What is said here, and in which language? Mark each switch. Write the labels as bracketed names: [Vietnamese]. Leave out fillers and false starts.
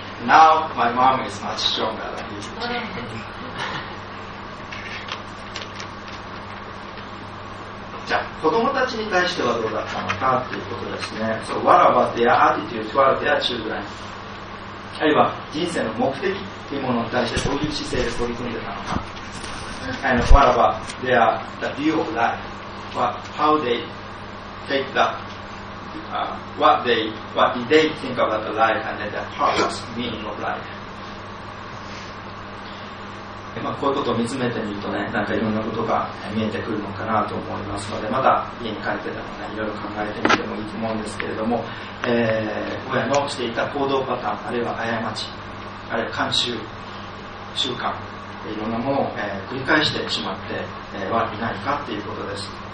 [English] Now my mom is much stronger than he is. [Japanese] じゃあ子供たちに対してはどうだったのかということですね。 [English] So, what about their attitude toward their children? [Japanese] あるいは人生の目的というものに対してどういう姿勢で取り組んでたのか。 [English] And what about their the view of life? How they take that? What did they think about the life and their purpose, meaning of life? [Japanese] まあ、こういうことを見つめてみるとね、なんかいろんなことが見えてくるのかなと思いますので、まだ家に帰ってでもね、いろいろ考えてみてもいいと思うんですけれども、親のしていた行動パターン、あるいは過ち、あるいは慣習、習慣、いろんなものを、繰り返してしまってはいないかということです。